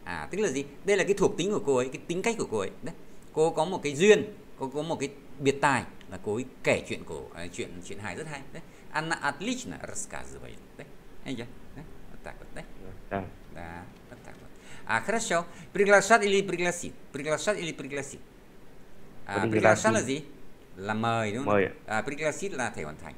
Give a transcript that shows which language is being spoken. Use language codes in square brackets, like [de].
[vi] tức là gì đây là cái thuộc tính của cô ấy cái tính cách của cô ấy đấy cô có một cái duyên cô có một cái biệt tài là cô ấy kể chuyện cổ chuyện chuyện hài rất hay đấy [ru] Anna Adlichna rассказывает. [vi] Đấy. Anh chưa? Đấy. [ru] Так вот, [vi] đấy. [ru] Да. Да, вот так вот. À, хорошо. Приглашать или пригласить? Приглашать или пригласить? [vi] À, приглашать là [ru] Пригласи. [vi] gì? Là mời đúng không? [ru] Мой. [vi] À, пригласить là thể hoàn thành.